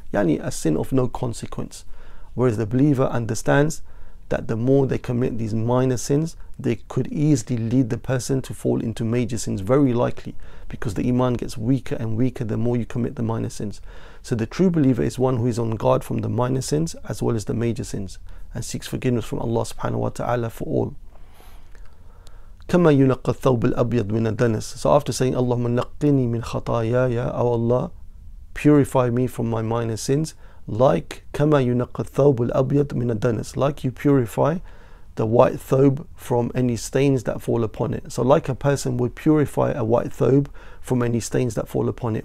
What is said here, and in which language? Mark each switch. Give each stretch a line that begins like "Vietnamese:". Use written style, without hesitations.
English: Yani, a sin of no consequence. Whereas the believer understands that the more they commit these minor sins, they could easily lead the person to fall into major sins, very likely, because the iman gets weaker and weaker the more you commit the minor sins. So the true believer is one who is on guard from the minor sins as well as the major sins, and seeks forgiveness from Allah subhanahu wa ta'ala for all.
Arabic: كما ينقى الثوب الأبيض من الدنس.
English: So after saying
Arabic: اللهم نقني من خطاياي,
English: أو الله purify me from my minor sins, like
Arabic: كما ينقى الثوب الأبيض من الدنس,
English: like you purify the white thobe from any stains that fall upon it. So like a person would purify a white thobe from any stains that fall upon it.